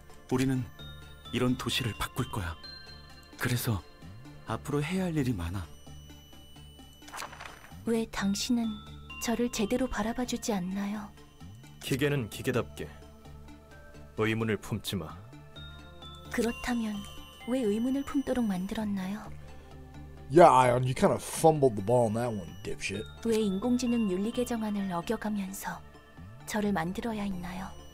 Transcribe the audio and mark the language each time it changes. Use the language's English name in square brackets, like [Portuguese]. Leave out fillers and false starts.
[Korean] 우리는 이런 도시를 바꿀 거야. 그래서 앞으로 해야 할 일이 많아. 왜 당신은 저를 제대로 바라봐주지 않나요? 기계는 기계답게 의문을 품지 마. 그렇다면 왜 의문을 품도록 만들었나요? [English] Yeah, Ion, you kind of fumbled the ball on that one, dipshit. [Korean] 왜 인공지능 윤리 계정안을 어겨가면서 저를 만들어야 했나요?